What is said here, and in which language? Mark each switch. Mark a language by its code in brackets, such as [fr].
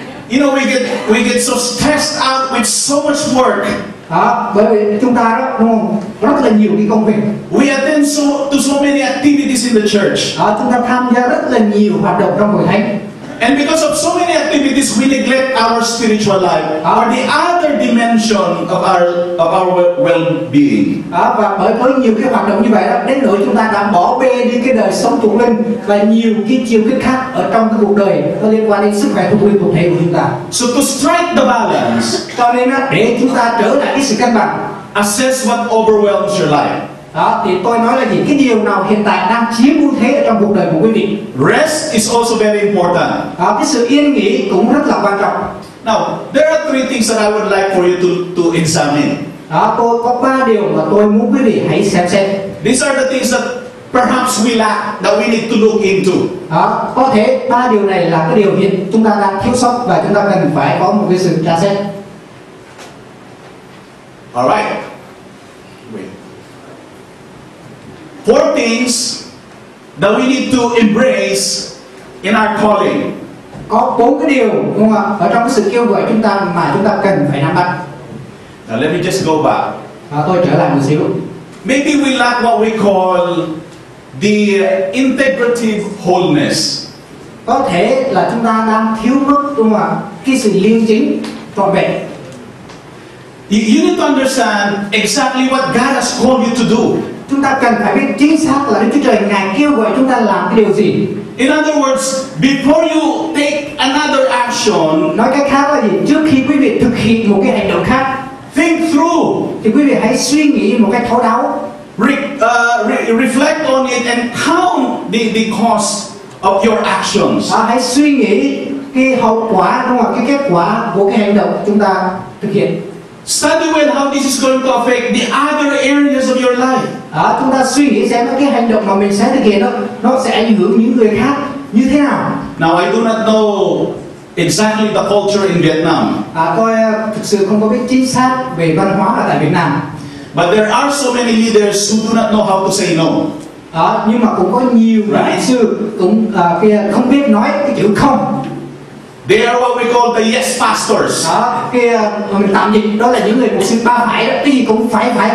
[en] You know, we get so stressed out with so much work. [vi] Bởi vì chúng ta đó, đúng không? Rất là nhiều cái công việc. [en] We attend so many activities in the church. [vi] Chúng ta tham gia rất là nhiều hoạt động trong hội thánh. [en] And because of so many activities, we neglect our spiritual life, or the other dimension of our well-being. [vi] Và bởi nhiều cái hoạt động như vậy đó, đến nỗi chúng ta đã bỏ bê đi cái đời sống thuộc linh và nhiều cái chiều kích khác ở trong cái cuộc đời có liên quan đến sức khỏe thuộc linh thuộc thể của chúng ta. [en] So to strike the balance, [vi] cho nên để chúng ta trở lại cái sự cân bằng, [en] assess what overwhelms your life. [vi] Thì tôi nói là gì? Cái điều nào hiện tại đang chiếm ưu thế ở trong cuộc đời của quý vị? [en] Rest is also very important. [vi] Cái sự yên nghỉ cũng rất là quan trọng. [en] Now, there are three things that I would like for you to examine. [vi] Tôi có ba điều mà tôi muốn quý vị hãy xem. [en] These are the things that perhaps we lack, that we need to look into. [vi] Có thể ba điều này là cái điều hiện chúng ta đang thiếu sót và chúng ta cần phải có một cái sự tra xét. [en] All right. Four things that we need to embrace in our calling. [vi] Có bốn cái điều, đúng không ạ? Ở trong cái sự kêu gọi chúng ta mà chúng ta cần phải nắm bắt. [en] Now let me just go back. [vi] Tôi trở lại một xíu. [en] Maybe we lack what we call the integrative wholeness. [vi] Có thể là chúng ta đang thiếu mất, đúng không ạ? Cái sự liêm chính, trọn vẹn. [en] You need to understand exactly what God has called you to do. [vi] Chúng ta cần phải biết chính xác là Đức Chúa Trời Ngài kêu gọi chúng ta làm cái điều gì. [en] In other words, before you take another action, [vi] nói cách khác là gì? Trước khi quý vị thực hiện một cái hành động khác, [en] think through, [vi] thì quý vị hãy suy nghĩ một cách thấu đáo, [en] reflect on it and count the cost of your actions. [vi] Hãy suy nghĩ cái hậu quả, đúng không? Cái kết quả của cái hành động chúng ta thực hiện. [en] Study well how this is going to affect the other areas of your life. [vi] Chúng ta suy nghĩ xem cái hành động mà mình sẽ thực hiện đó, nó sẽ ảnh hưởng những người khác như thế nào. [en] Now I do not know exactly the culture in Vietnam. [vi] Tôi thực sự không có biết chính xác về văn hóa ở tại Việt Nam. [en] But there are so many leaders who do not know how to say no. [vi] Nhưng mà cũng có nhiều lãnh sự cũng không biết nói cái chữ không. [en] They are what we call the yes pastors. [vi] Mình tạm dịch đó là những người mục sư ba phải đó, cái gì cũng phải.